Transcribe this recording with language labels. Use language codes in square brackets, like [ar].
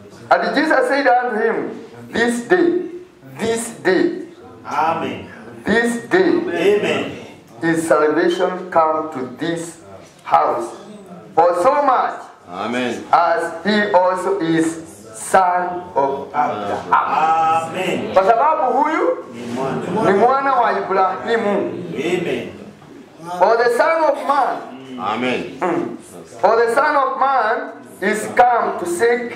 [en] And Jesus said unto him, this day, this day, amen, this day, amen, his salvation come to this house. For so much, amen, as he also is son of Abraham. Amen. [sw] Kwa sababu huyu ni mwana wa Ibrahimu. [en] Amen. For the son of man, amen, for the son of man is come to seek,